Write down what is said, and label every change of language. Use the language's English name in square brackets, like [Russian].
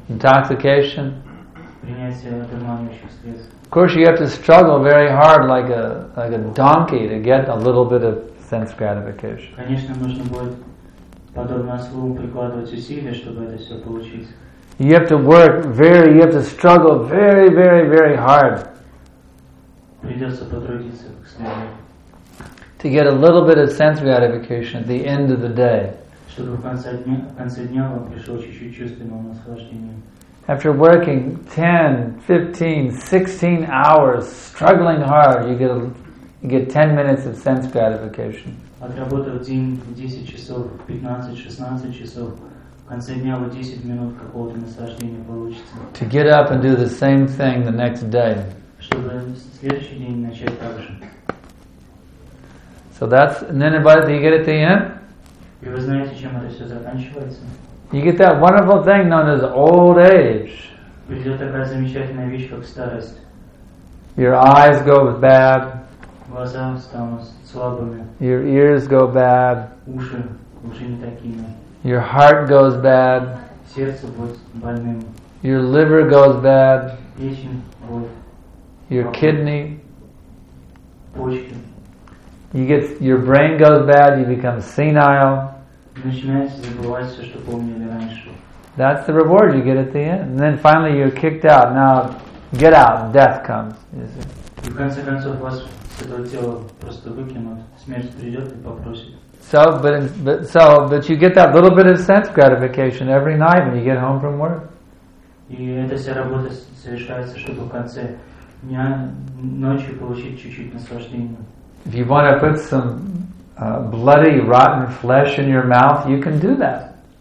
[English] Intoxication. [Russian] Принятие одурманивающих средств. [English] Of course, you have to struggle very hard, like a donkey, to get a little bit of sense gratification. [Russian] Конечно, нужно будет подобно ослу прикладывать усилия, чтобы это все получить. [English] You have to work very. You have to struggle very, very, very hard. [Russian] Придется потрудиться, к сожалению. [English] To get a little bit of sense gratification at the end of the day. [Russian] Чтобы в конце дня вам пришло чуть-чуть чувственного наслаждения. [English] After working 10, 15, 16 hours, struggling hard, you get 10 minutes of sense gratification. [Russian] Отработав день 10 часов, 15, 16 часов, в конце дня вы 10 минут какого-то наслаждения получите. [English] To get up and do the same thing the next day. [Russian] Чтобы следующий день начать так же. [English] So that's, and then about, you get it at the end? [Russian] И вы знаете, чем это все заканчивается? [English] You get that wonderful thing known as old age. [Russian] Придет такая замечательная вещь, как старость. [English] Your eyes go bad. [Russian] Глаза станут слабыми. [English] Your ears go bad. [Russian] Уши не такими. [English] Your heart goes bad. [Russian] Сердце будет больным. [English] Your liver goes bad. [Russian] Печень будет. [English] Your kidney. [Russian] Почки. [English] Your brain goes bad, you become senile. [Russian] Начинаете забывать все, что помнили раньше. [English] That's the reward you get at the end. And then finally you're kicked out. Now get out, death comes. [Russian] И в конце концов вас с этого тела просто выкинут. Смерть придет и попросит. [English] So, but you get that little bit of sense gratification every night when you get home from work. [Russian] И эта вся работа совершается, чтобы в конце дня, ночью получить чуть-чуть наслаждения. [English] If you want to put some bloody, rotten flesh in your mouth, you can do that.